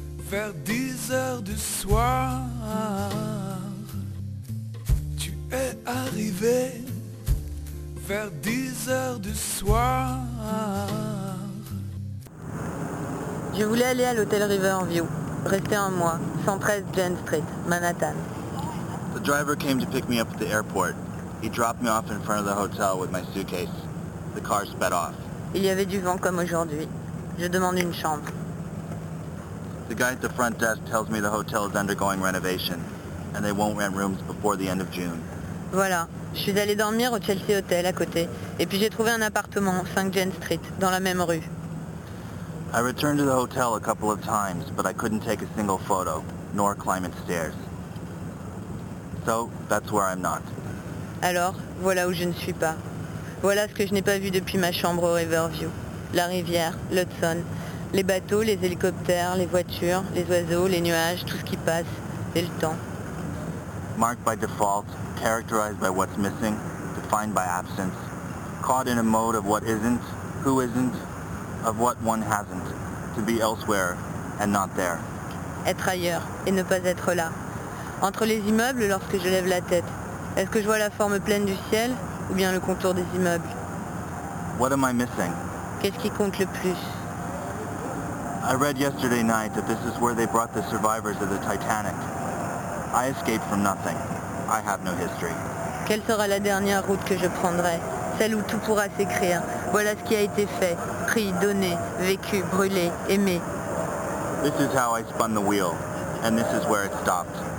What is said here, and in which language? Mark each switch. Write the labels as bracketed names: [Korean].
[French] Vers 10h du soir, tu es arrivé. Vers 10h du soir, je voulais aller à l'hôtel Riverview, rester un mois, 113 Jane Street, Manhattan. [English] The driver came to pick me up at the airport. He dropped me off in front of the hotel with my suitcase. The car sped off. [French] Il y avait du vent comme aujourd'hui. Je demande une chambre. [English] The guy at the front desk tells me the hotel is undergoing renovation and they won't rent rooms before the end of June. [French] Voilà, je suis allée dormir au Chelsea Hotel à côté et puis j'ai trouvé un appartement 5 Jane Street dans la même rue. [English] I returned to the hotel a couple of times, but I couldn't take a single photo nor climb its stairs. So, that's where I'm not. [French] Alors, voilà où je ne suis pas. Voilà ce que je n'ai pas vu depuis ma chambre au Riverview. La rivière, l'Hudson. Les bateaux, les hélicoptères, les voitures, les oiseaux, les nuages, tout ce qui passe, et le temps. [English] Marked by default, characterized by what's missing, defined by absence, caught in a mode of what isn't, who isn't, of what one hasn't, to be elsewhere and not there. [French] Être ailleurs et ne pas être là. Entre les immeubles, lorsque je lève la tête, est-ce que je vois la forme pleine du ciel ou bien le contour des immeubles? [English] What am I missing? [French] Qu'est-ce qui compte le plus? [English] I read yesterday night that this is where they brought the survivors of the Titanic. I escaped from nothing. I have no history. [French] Quelle sera la dernière route que je prendrai? Celle où tout pourra s'écrire. Voilà ce qui a été fait, pris, donné, vécu, brûlé, aimé. [English] This is how I spun the wheel, and this is where it stopped.